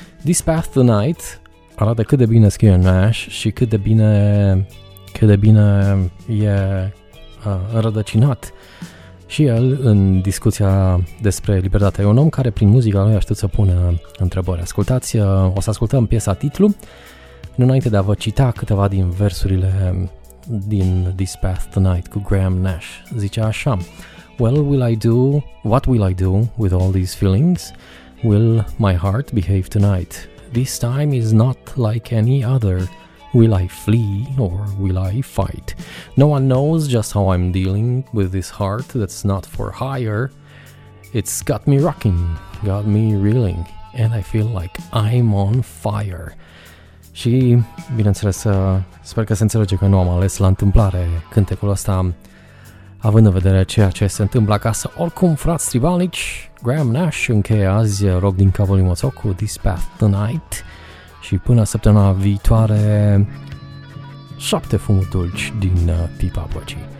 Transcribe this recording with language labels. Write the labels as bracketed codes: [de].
[ro] This Path Tonight arată cât de bine scrie Nash și cât de bine e înrădăcinat și el în discuția despre libertate. E un om care prin muzica lui a știut să pună întrebări. Ascultați, o să ascultăm piesa titlu, înainte de a vă cita câteva din versurile din This Path Tonight cu Graham Nash. Zice așa: [en] What will I do with all these feelings? Will my heart behave tonight? This time is not like any other. Will I flee or will I fight? No one knows just how I'm dealing with this heart that's not for hire. It's got me rocking, got me reeling, and I feel like I'm on fire. [ro] Și, bineînțeles, sper că se înțelege că nu am ales la întâmplare cântecul ăsta, având în vedere ceea ce se întâmplă acasă. Oricum, frați tribalnici, Graham Nash încheie azi Rock din capul lui Moțoc cu This Path Tonight. Și până săptămâna viitoare, 7 fumuri dulci din pipa păcii.